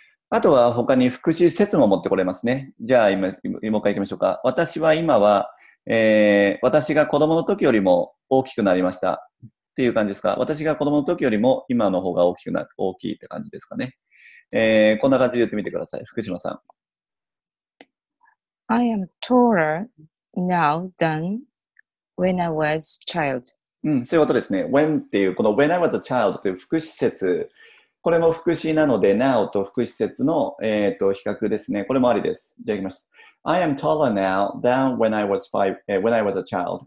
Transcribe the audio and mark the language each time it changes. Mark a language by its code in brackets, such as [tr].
[ja] あとは他に副詞接も持ってこれますね。じゃあ今もう一回行きましょうか。私は今は、私が子供の時よりも大きくなりましたっていう感じですか。私が子供の時よりも今の方が大きいって感じですかね。こんな感じで言ってみてください。福島さん。 [en] I am taller now than when I was a child. [ja] うん、そういうことですね。 when っていう、この [en] when I was a child [ja] という副詞接。これも副詞なので、now と副詞接の、比較ですね。これもありです。じゃあ行きます。 [en] I am taller now than when I was five, when I was a child.